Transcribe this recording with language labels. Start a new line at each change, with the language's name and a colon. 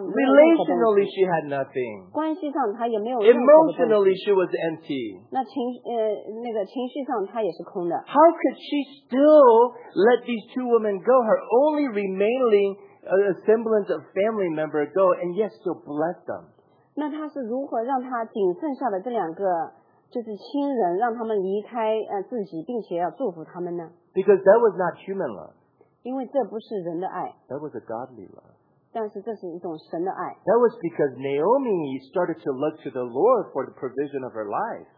English: relationally she had nothing.
Chinese: 关系上她也没有。
English: Emotionally, she was empty.
Chinese: 那情绪上她也是空的。
English: How could she still let these two women go? Her only remaining. A semblance of family member go and yet still bless them.
Chinese: 那他是如何让他仅剩下的这两个就是亲人让他们离开自己并且要祝福他们呢
English: ？Because that was not human love.
Chinese: 因为这不是人的爱。
English: That was a godly love.
Chinese: 但是这是一种神的爱。
English: That was because Naomi started to look to the Lord for the provision of her life.